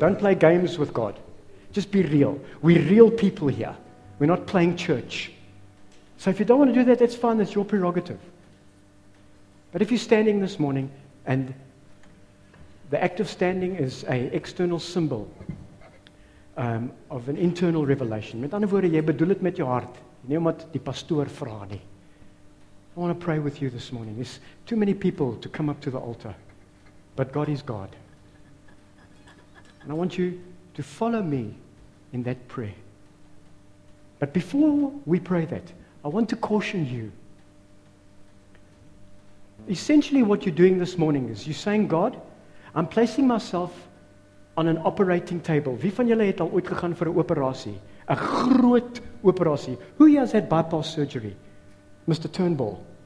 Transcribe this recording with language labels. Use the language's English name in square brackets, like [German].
[English] Don't play games with God. Just be real. We're real people here. We're not playing church. So if you don't want to do that, that's fine. That's your prerogative. But if you're standing this morning and the act of standing is an external symbol of an internal revelation. [Afrikaans] Met ander woorde, jy bedoel dit met jou hart, nie omdat die pastoor vra nie. [English] I want to pray with you this morning. There's too many people to come up to the altar, but God is God. And I want you to follow me in that prayer. But before we pray that, I want to caution you. Essentially what you're doing this morning is you're saying, God, I'm placing myself on an operating table. [Afrikaans] Wie van julle het al ooit gegaan vir 'n operasie? 'N groot operasie. [English] Who has had bypass surgery? Mr. Turnbull.